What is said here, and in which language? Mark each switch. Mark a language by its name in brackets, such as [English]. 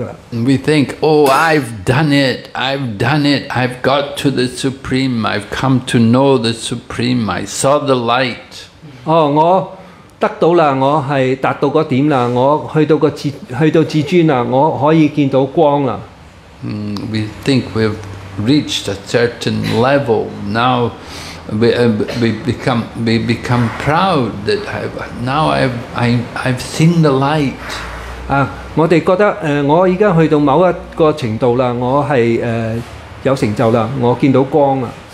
[English] We think, oh, I've done it, I've got to the Supreme, I've come to know the Supreme, I saw the light. [Cantonese] 我得到了，我是达到个点了，我去到个至尊了，我可以见到光了。 [English] We think we've reached a certain level. Now we become proud that I've seen the light. [Cantonese] 我哋觉得我而家去到某一个程度了，我系有成就了，我见到光了。